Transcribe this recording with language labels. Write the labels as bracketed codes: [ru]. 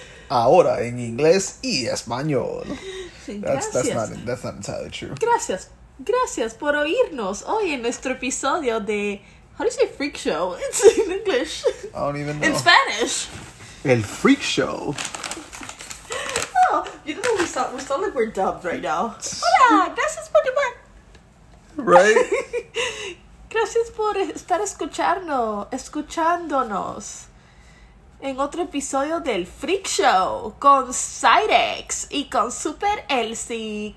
[es] Ahora en inglés y español. [en] That's not entirely true. [es] Gracias. Gracias por oírnos hoy en nuestro episodio de... [en] How do you say freak show? It's in English. I don't even know. In Spanish. [es] El freak show. [en] Oh, you know what we sound like we're dubbed right now. [es] Hola, gracias por llamar. [en] Right? [es] Gracias por estar escuchándonos. En otro episodio del Freak Show con Cyrex y con Super Elsie.